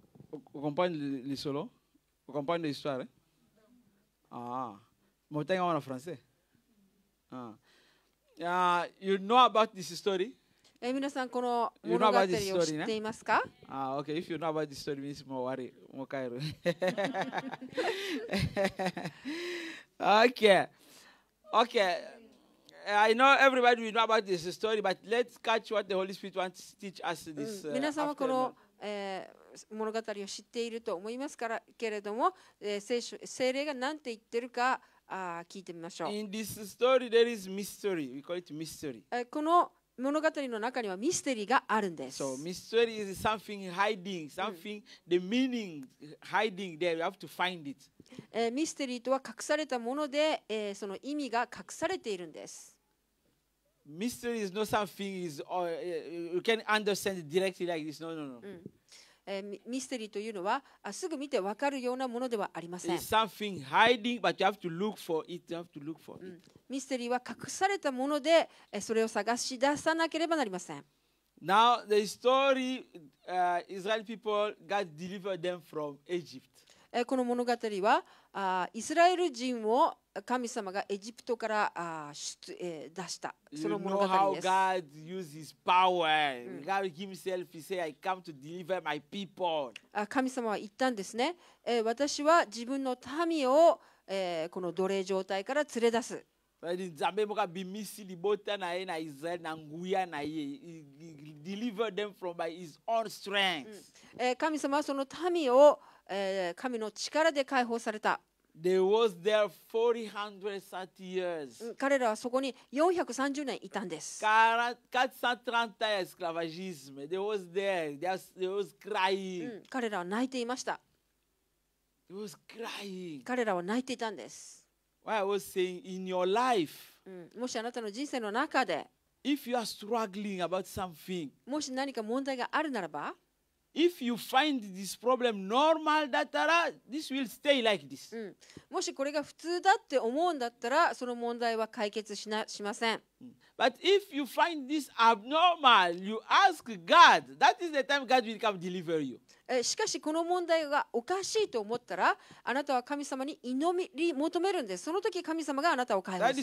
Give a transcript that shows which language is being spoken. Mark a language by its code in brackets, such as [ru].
[fr] Vous comprenez le solo? Vous comprenez l'histoire? Ah, mais t'as quoi en français? [en] Ah, you know about this story? [ja] Eh, 皆さんこの物語を知っていますか? [en] Ah, okay. If you know about this story, means more worry, more care. Okay. I know everybody will know about this story, but let's catch what the Holy Spirit wants to teach us this. [ja] 皆さんはこの物語を知っていると思いますからけれども、聖霊が何て言ってるか聞いてみましょう。 [en] In this story, there is mystery. We call it mystery. [ja] この物語の中にはミステリーがあるんです。 [en] So mystery is something hiding, something the meaning hiding there. You have to find it. [ja] ミステリーとは隠されたもので、その意味が隠されているんです。 [en] Mystery is not something is you can understand directly like this. No, no, no. [ja] ミステリーというのはすぐ見てわかるようなものではありません。 [en] It's something hiding, but you have to look for it. You have to look for it. [ja] ミステリーは隠されたもので、それを探し出さなければなりません。 [en] Now the story, Israel people, God delivered them from Egypt. [ja] この物語は、イスラエル人を神様がエジプトから出した、その物語です。 [en] You know how God uses his power. God himself, he said, I come to deliver my people. [ja] 神様は言ったんですね。私は自分の民をこの奴隷状態から連れ出す。 [ln] Zambe moka bimisi libota na ena Israel nanguya na ye. [en] He delivered them from by his own strength. [ja] 神様はその民を神の力で解放された。 [en] There was there 430 years. [ja] 彼らはそこに430年いたんです。 [en] 430 years slavagisme. They was there. They was crying. [ja] 彼らは泣いていました。 [en] They was crying. [ja] 彼らは泣いていたんです。 [en] Why I was saying in your life. [ja] もしあなたの人生の中で、 [en] If you are struggling about something. [ja] もし何か問題があるならば、 [en] If you find this problem normal, that era, this will stay like this. [ja] もしこれが普通だって思うんだったら、その問題は解決しません。 [en] But if you find this abnormal, you ask God. That is the time God will come deliver you. [ja] しかしこの問題がおかしいと思ったら、あなたは神様に祈り求めるんです。その時神様があなたを解放する。